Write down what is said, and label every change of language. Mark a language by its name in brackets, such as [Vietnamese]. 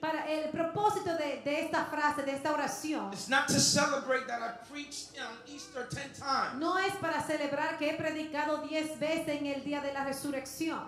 [Spanish] Para el propósito de esta frase, de esta oración. [English] It's not to celebrate that I preached on Easter 10 times. [Spanish] No es para celebrar que he predicado 10 veces en el día de la resurrección.